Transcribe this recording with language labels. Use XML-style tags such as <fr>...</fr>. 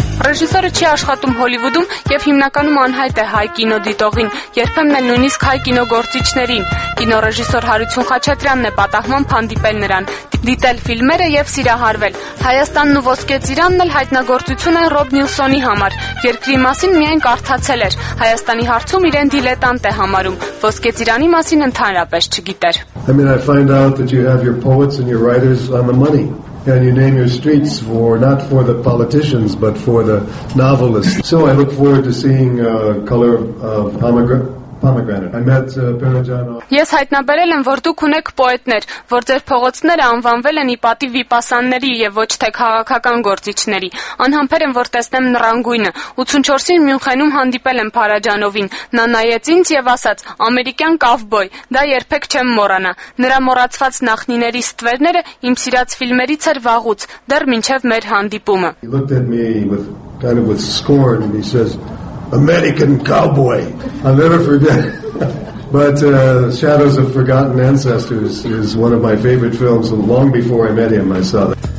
<hy>Ռեժիսորը չի աշխատում Հոլիվուդում եւ հիմնականում անհայտ է հայ կինոդիտողին, երբեմն էլ նույնիսկ հայ կինոգործիչներին։ Կինոռեժիսոր Հարություն Խաչատրյանն է պատահման փանդիպել նրան, դիտել ֆիլմերը եւ սիրահարվել։ Հայաստանն ու Ոսկե ծիրանն էլ հայտնագործություն են Ռոբ Նիլսոնի համար, երկրի մասին միայն կարդացել էր, Հայաստանի հարցում իրեն դիլետանտ է համարում, Ոսկե ծիրանի մասին ընդհանրապես չգիտեր։</hy> <en>I mean, I find out that you have your poets and your writers on the money. And you name your streets for not for the politicians but for the novelists. So I look forward to seeing Color of Pomegranate. I met Parajan.</en> <hy>Ես հայտնաբերել եմ, որ դուք ունեք պոետներ, որ ձեր փողոցները անվանվել են ի պատի վիպասանների եւ ոչ թե քաղաքական գործիչների։ Անհամբեր եմ, որ տեսնեմ նրան գույնը։ 84-ին Մյունխենում հանդիպել եմ Փարաջանովին։ Նա նայեց ինձ եւ ասաց. «Ամերիկյան կովբոյ, դա երբեք չեմ մոռանա»։ Նրա մոռացված նախնիների ստվերները իմ սիրած ֆիլմերից էր վաղուց, դեռ մինչեւ մեր հանդիպումը։</hy> <en>«American cowboy. I'll never forget». But Shadows of Forgotten Ancestors is one of my favorite films, and long before I met him, I saw that.</en>